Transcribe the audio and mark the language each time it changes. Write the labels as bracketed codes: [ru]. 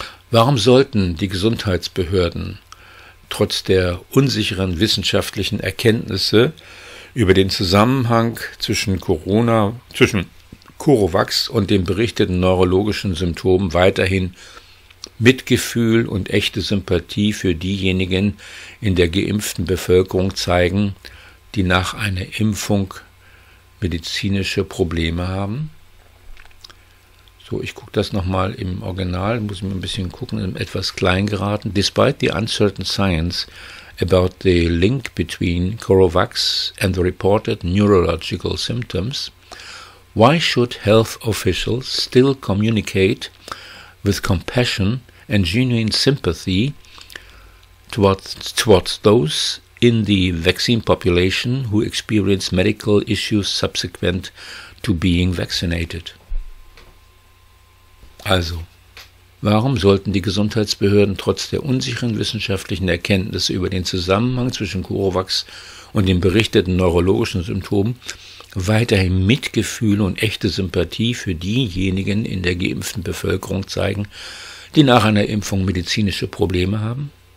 [de] Warum sollten die Gesundheitsbehörden trotz der unsicheren wissenschaftlichen Erkenntnisse über den Zusammenhang zwischen CoroVax und den berichteten neurologischen Symptomen weiterhin Mitgefühl und echte Sympathie für diejenigen in der geimpften Bevölkerung zeigen, die nach einer Impfung medizinische Probleme haben? So, ich gucke das nochmal im Original, muss ich mir ein bisschen gucken, etwas klein geraten. [en] Despite the uncertain science about the link between CoroVax and the reported neurological symptoms, why should health officials still communicate with compassion and genuine sympathy towards those in the vaccine population who experience medical issues subsequent to being vaccinated? [de] Also, warum sollten die Gesundheitsbehörden trotz der unsicheren wissenschaftlichen Erkenntnisse über den Zusammenhang zwischen CoroVax und den berichteten neurologischen Symptomen weiterhin Mitgefühl und echte Sympathie für diejenigen in der geimpften Bevölkerung zeigen, die nach einer Impfung medizinische Probleme haben?